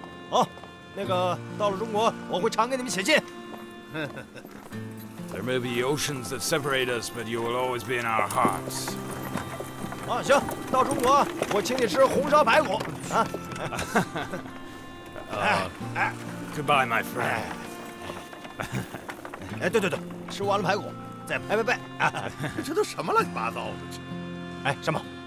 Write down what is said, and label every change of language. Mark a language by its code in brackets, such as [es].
[zh] 好，那个到了中国，我会常给你们写信。 [en] There may be oceans that separate us, but you will always be in our hearts. [zh] 啊，行，到中国我请你吃红烧排骨啊。 [en] Goodbye, my friend. [zh] 哎，对，吃完了排骨再拍拍背。这都什么乱七八糟的？哎，山姆。